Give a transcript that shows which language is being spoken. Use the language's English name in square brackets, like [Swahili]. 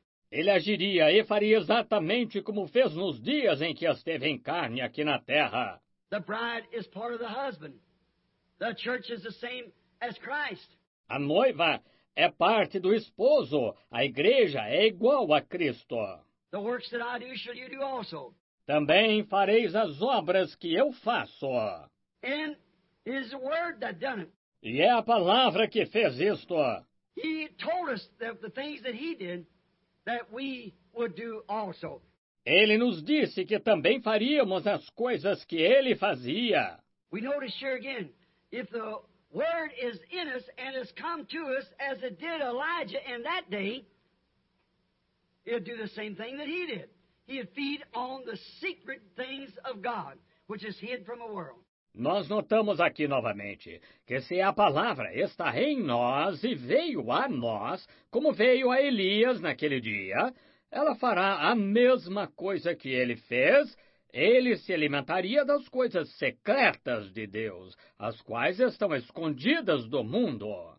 [Portuguese] Ele agiria e faria exatamente como fez nos dias em que esteve em carne aqui na terra. [English] The bride is part of the husband. The church is the same as Christ. [Portuguese] A noiva é parte do esposo. A igreja é igual a Cristo. [English] The works that I do, shall you do also. [Portuguese] Também fareis as obras que eu faço. [English] And his word that done it. [Portuguese] E é a palavra que fez isto. [English] He told us that the things that he did, that we would do also. [Portuguese] Ele nos disse que também faríamos as coisas que ele fazia. [English] We notice here again, if the word is in us and has come to us as it did Elijah in that day, he'd do the same thing that he did. He'd feed on the secret things of God, which is hid from the world. [Portuguese] Nós notamos aqui novamente que se a palavra está em nós e veio a nós, como veio a Elias naquele dia, ela fará a mesma coisa que ele fez. Ele se alimentaria das coisas secretas de Deus, as quais estão escondidas do mundo.